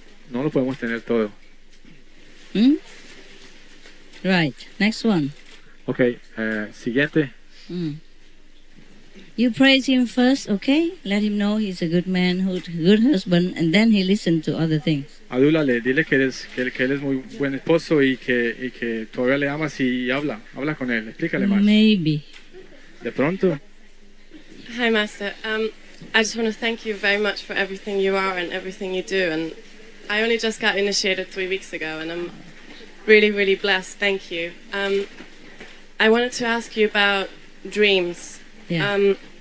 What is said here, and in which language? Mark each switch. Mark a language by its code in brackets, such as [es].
[es] No lo podemos tener todo. [en] Right. Next one. [es] Okay. Siguiente. [en] You praise him first, okay? Let him know he's a good man, good husband, and then he listens to other things. [es] Adúlale, dile que eres muy buen esposo y que todavía le amas y habla con él, explícale más. [en] Maybe. [es] De pronto. [en] Hi, Master. I just want to thank you very much for everything you are and everything you do. And I only just got initiated 3 weeks ago, and I'm really, really blessed. Thank you. I wanted to ask you about dreams. Yeah.